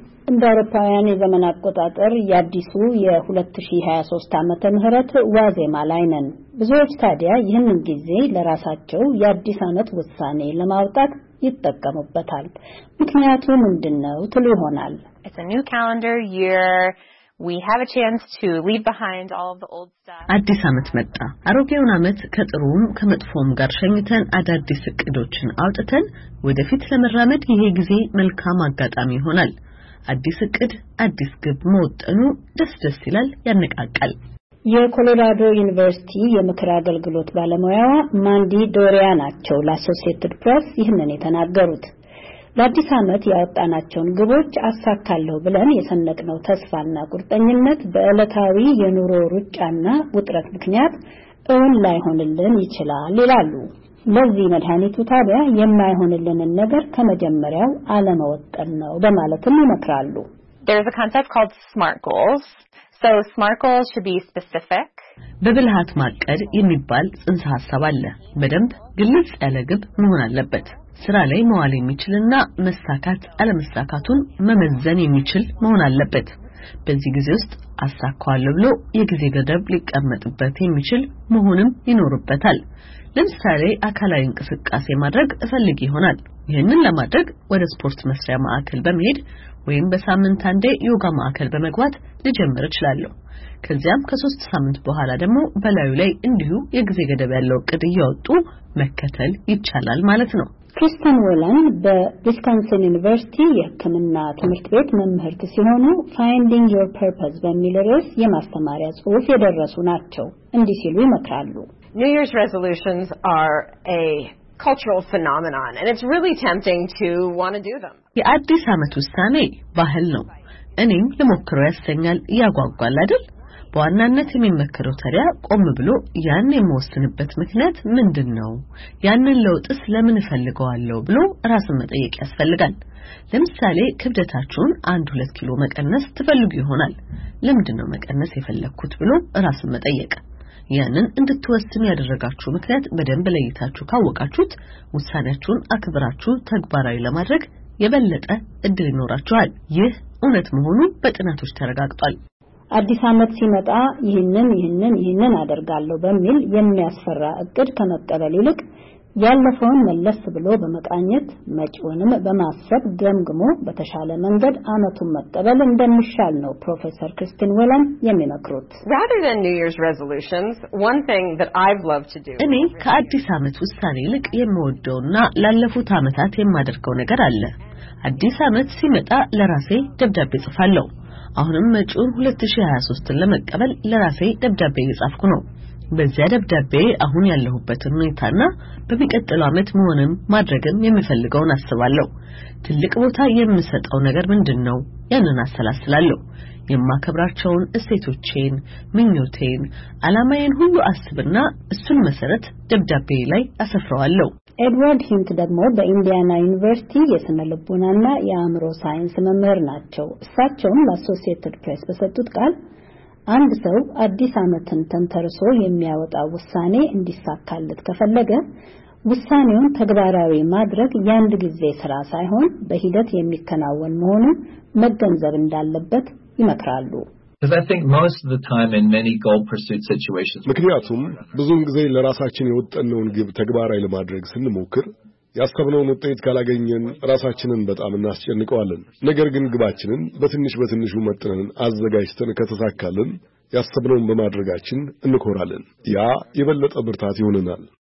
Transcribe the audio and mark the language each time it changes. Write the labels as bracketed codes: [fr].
[am] እንደ አውሮፓውያን የዘመን አቆጣጠር የአዲሱ የ2023 ዓመተ ምህረት ዋዜማ ላይ ነን። ብዙዎች ታዲያ ይህን ጊዜ ለራሳቸው የአዲስ ዓመት ውሳኔ ለማውጣት ይጠቀሙበታል። ምክንያቱ ምንድነው ትሉ ይሆናል። [en] It's a new calendar year. We have a chance to leave behind all of the old stuff. [am] አዲስ አመት መጣ። አሮጌውን አመት ከጥሩም ከመጥፎም ጋር ሸኝተን አዳዲስ እቅዶችን አውጥተን ወደፊት ለመራመድ ይሄ ጊዜ መልካም አጋጣሚ ይሆናል። አዲስ እቅድ አዲስ ግብ መወጠኑ ደስ ይላል፣ ያነቃቃል። የኮሎራዶ ዩኒቨርሲቲ የምክር አገልግሎት ባለሙያዋ ማንዲ ዶሪያ ናቸው ለአሶሲየትድ ፕሬስ ይህንን የተናገሩት። ለአዲስ አመት ያወጣናቸውን ግቦች አሳካለሁ ብለን የሰነቅነው ተስፋና ቁርጠኝነት በእለታዊ የኑሮ ሩጫና ውጥረት ምክንያት እውን ላይሆንልን ይችላል ይላሉ። ለዚህ መድኃኒቱ ታዲያ የማይሆንልን ነገር ከመጀመሪያው አለመወጠን ነው በማለትም ይመክራሉ። [en] There's a concept called SMART goals. So SMART goals should be specific. [am] በብልሃት ማቀድ የሚባል ጽንሰ ሐሳብ አለ። በደንብ ግልጽ ያለ ግብ መሆን አለበት። ስራ ላይ መዋል የሚችልና መሳካት አለመሳካቱን መመዘን የሚችል መሆን አለበት። በዚህ ጊዜ ውስጥ አሳካዋለሁ ብሎ የጊዜ ገደብ ሊቀመጥበት የሚችል መሆንም ይኖርበታል። ለምሳሌ አካላዊ እንቅስቃሴ ማድረግ እፈልግ ይሆናል። ይህንን ለማድረግ ወደ ስፖርት መስሪያ ማዕከል በመሄድ ወይም በሳምንት አንዴ ዮጋ ማዕከል በመግባት ልጀምር እችላለሁ። ከዚያም ከሶስት ሳምንት በኋላ ደግሞ በላዩ ላይ እንዲሁ የጊዜ ገደብ ያለው ቅድ ያወጡ መከተል ይቻላል ማለት ነው። ክሪስቲን ወላን በዊስኮንሲን ዩኒቨርሲቲ የሕክምና ትምህርት ቤት መምህርት ሲሆኑ ፋይንዲንግ ዮር ፐርፐስ በሚል ርዕስ የማስተማሪያ ጽሑፍ የደረሱ ናቸው። እንዲህ ሲሉ ይመክራሉ። [en] New Year's resolutions are a cultural phenomenon and it's really tempting to want to do them. [am] የአዲስ አመት ውሳኔ ባህል ነው። እኔም ለሞክረው ያሰኛል፣ ያጓጓል አይደል? በዋናነት የሚመከረው ታዲያ ቆም ብሎ ያን የሚወስንበት ምክንያት ምንድነው? ያንን ለውጥስ ለምን ፈልገዋለሁ ብሎ ራስን መጠየቅ ያስፈልጋል። ለምሳሌ ክብደታችሁን 1-2 ኪሎ መቀነስ ትፈልጉ ይሆናል። ለምንድነው መቀነስ የፈለኩት ብሎ ራስን መጠየቅ። ያንን እንድትወስኑ ያደረጋችሁ ምክንያት በደንብ ለይታችሁ ካወቃችሁት ውሳኔያችሁን አክብራችሁ ተግባራዊ ለማድረግ የበለጠ እድል ይኖራችኋል። ይህ እውነት መሆኑ በጥናቶች ተረጋግጧል። አዲስ አመት ሲመጣ ይህንን አደርጋለሁ በሚል የሚያስፈራ እቅድ ከመቀበል ይልቅ ያለፈውን መለስ ብሎ በመቃኘት መጪውንም በማሰብ ገምግሞ በተሻለ መንገድ አመቱን መቀበል እንደሚሻል ነው ፕሮፌሰር ክሪስቲን ወላን የሚመክሩት። [en] Rather than new year's resolutions, one thing that I've loved to do. [am] እኔ ከአዲስ አመት ውሳኔ ይልቅ የምወደውና ላለፉት አመታት የማደርገው ነገር አለ። አዲስ አመት ሲመጣ ለራሴ ደብዳቤ ጽፋለሁ። አሁንም መጪውን 2023ን ለመቀበል ለራሴ ደብዳቤ ጻፍኩ ነው። በዚያ ደብዳቤ አሁን ያለሁበትን ሁኔታና በሚቀጥለው አመት መሆንም ማድረግም የምፈልገውን አስባለሁ። ትልቅ ቦታ የምሰጠው ነገር ምንድነው? ያንን አሰላስላለሁ። የማከብራቸውን እሴቶቼን፣ ምኞቴን፣ አላማዬን ሁሉ አስብና እሱን መሰረት ደብዳቤ ላይ አሰፍረዋለሁ። ኤድዋርድ ሂንት ደግሞ በኢንዲያና ዩኒቨርሲቲ የስነ ልቦናና የአእምሮ ሳይንስ መምህር ናቸው። እሳቸውም አሶሲየትድ ፕሬስ በሰጡት ቃል አንድ ሰው አዲስ አመትን ተንተርሶ የሚያወጣው ውሳኔ እንዲሳካለት ከፈለገ ውሳኔውን ተግባራዊ ማድረግ ያንድ ጊዜ ስራ ሳይሆን በሂደት የሚከናወን መሆኑን መገንዘብ እንዳለበት ይመክራሉ። [en] Because I think most of the time in many goal pursuit situations [am] ምክንያቱም ብዙውን ጊዜ ለራሳችን የወጠነውን ግብ ተግባራዊ ለማድረግ ስንሞክር ያስከብነውን ውጤት ካላገኘን ራሳችንን በጣም እናስጨንቀዋለን። ነገር ግን ግባችንን በትንሽ በትንሹ መጥነን አዘጋጅተን ከተሳካልን ያስከብነውን በማድረጋችን እንኮራለን። ያ የበለጠ ብርታት ይሆነናል።